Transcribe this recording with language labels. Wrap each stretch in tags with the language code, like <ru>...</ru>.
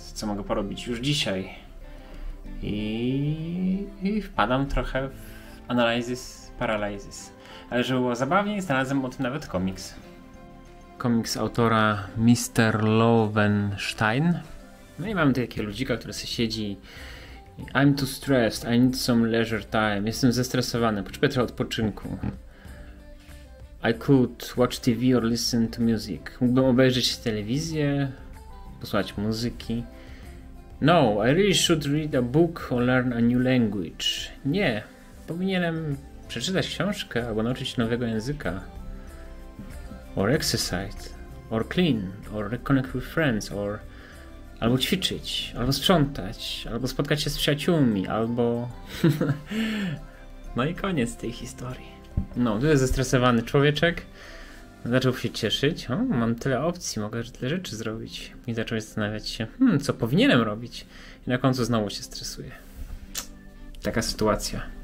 <pl>Co mogę porobić już dzisiaj? I wpadam trochę w analysis paralysis. Ale żeby było zabawniej, znalazłem o tym nawet komiks. Komiks autora Mr. Lovenstein. No i mam tutaj takiego ludzika, który sobie siedzi.</pl> <en>I'm too stressed, I need some leisure time.</en> <pl>Jestem zestresowany, potrzebuję trochę odpoczynku.</pl> <en>I could watch TV or listen to music.</en> <pl>Mógłbym obejrzeć telewizję, posłuchać muzyki.</pl> <en>No, I really should read a book or learn a new language.</en> <pl>Nie, powinienem przeczytać książkę albo nauczyć się nowego języka.</pl> <en>Or exercise, or clean, or reconnect with friends, or...</en> <pl>Albo ćwiczyć, albo sprzątać, albo spotkać się z przyjaciółmi, albo... No i koniec tej historii. No, tu jest zestresowany człowieczek. Zaczął się cieszyć. O, mam tyle opcji, mogę tyle rzeczy zrobić. I zaczął zastanawiać się, co powinienem robić. I na końcu znowu się stresuje. Taka sytuacja.</pl>